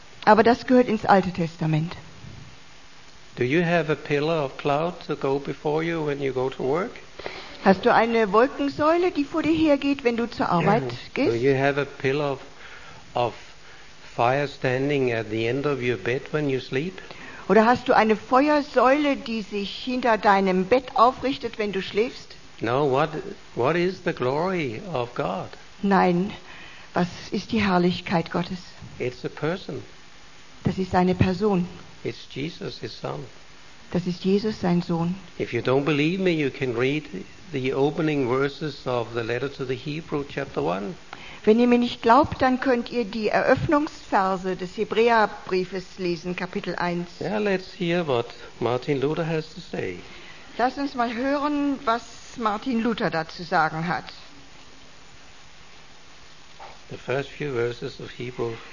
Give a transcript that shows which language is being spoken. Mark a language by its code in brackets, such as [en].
[de] Aber das gehört ins Alte Testament. [en] Do you have a pillar of cloud to go before you when you go to work? [de] Hast du eine Wolkensäule, die vor dir hergeht, wenn du zur Arbeit gehst? [en] Do you have a pillar of fire standing at the end of your bed when you sleep? [de] Oder hast du eine Feuersäule, die sich hinter deinem Bett aufrichtet, wenn du schläfst? [en] No, what is the glory of God? [de] Nein, was ist die Herrlichkeit Gottes? [en] It's a person. [de] Das ist eine Person. [en] It's Jesus, his son. [de] Das ist Jesus, sein Sohn. [en] If you don't believe me, you can read the opening verses of the letter to the Hebrew, chapter 1. [de] Wenn ihr mir nicht glaubt, dann könnt ihr die Eröffnungsverse des Hebräerbriefes lesen, Kapitel 1. [en] Yeah, let's hear what Martin Luther has to say. [de] Lass uns mal hören, was Martin Luther dazu sagen hat. [en] The first few verses of Hebrews.